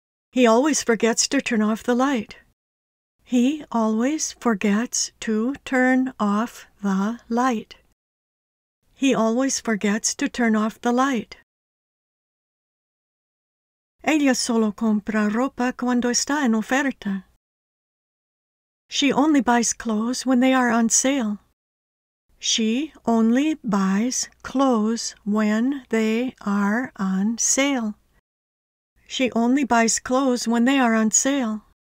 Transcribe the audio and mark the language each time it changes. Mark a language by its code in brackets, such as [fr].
[en] He always forgets to turn off the light. He always forgets to turn off the light. He always forgets to turn off the light. [es] Ella solo compra ropa cuando está en oferta. [en] She only buys clothes when they are on sale. She only buys clothes when they are on sale. She only buys clothes when they are on sale.